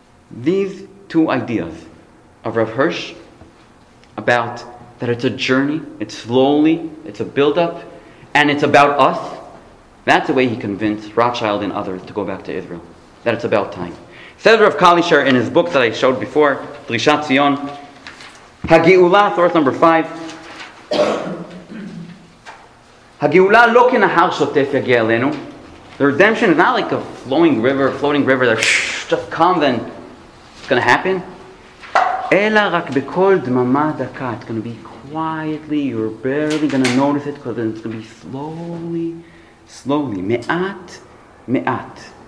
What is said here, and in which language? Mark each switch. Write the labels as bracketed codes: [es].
[en] These two ideas of Rav Hirsch about that it's a journey, it's slowly, it's a build-up, and it's about us. That's the way he convinced Rothschild and others to go back to Israel, that it's about time. Said Rav Kalischer in his book that I showed before, Drishat Zion, Hagi'ula, source number 5, [he] הגאולה לא כנהר שוטף יגיע אלינו. [en] The redemption is not like a flowing river, floating river that just comes and it's going to happen. אלא רק בכל דממה דקה. It's going to be quietly, you're barely going to notice it, because it's going to be slowly, slowly, מעט, מעט.